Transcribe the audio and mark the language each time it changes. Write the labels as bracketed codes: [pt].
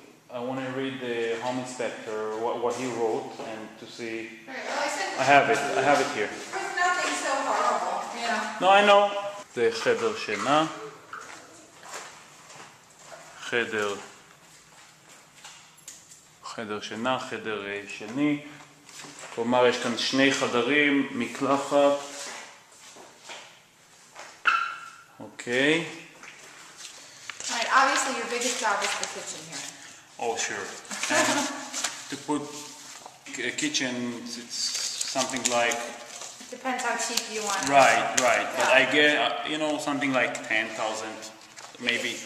[en] I want to read the home inspector what he wrote and to see. I have it here. It's nothing so horrible. Yeah. No, I know. [he] זה חדר שינה. חדר שינה, חדר שני, כלומר יש כאן שני חדרים, מקלחת, אוקיי. [en] Right, obviously your biggest job is the kitchen here. Oh, sure. to put a kitchen, it's something like... It depends how cheap you want it. Right. Yeah. But I get, you know, something like 10,000, maybe.